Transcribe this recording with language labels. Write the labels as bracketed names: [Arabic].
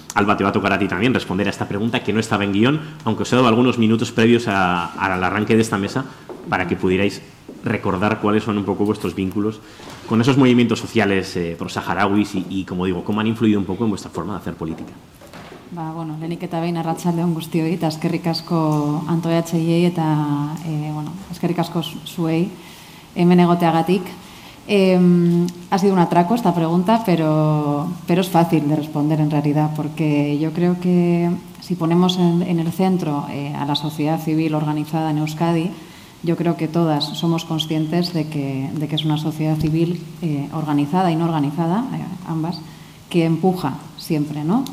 [Spanish] Alba, te va a tocar a ti también responder a esta pregunta que no estaba en guión, aunque os he dado algunos minutos previos al arranque de esta mesa para que pudierais recordar cuáles son un poco vuestros vínculos con esos movimientos sociales pro-saharauis y, como digo, cómo han influido un poco en vuestra forma de hacer política. [Basque] Ba, bueno, lehenik eta behin arratsaldeon guztioi eta eskerrik asko antolatzaileei eta bueno, eskerrik asko zuei hemen egoteagatik. [Spanish] Ha sido un atraco esta pregunta, pero es fácil de responder en realidad, porque yo creo que si ponemos en el centro a la sociedad civil organizada en Euskadi, yo creo que todas somos conscientes de que es una sociedad civil organizada y no organizada, ambas, que empuja siempre, ¿no?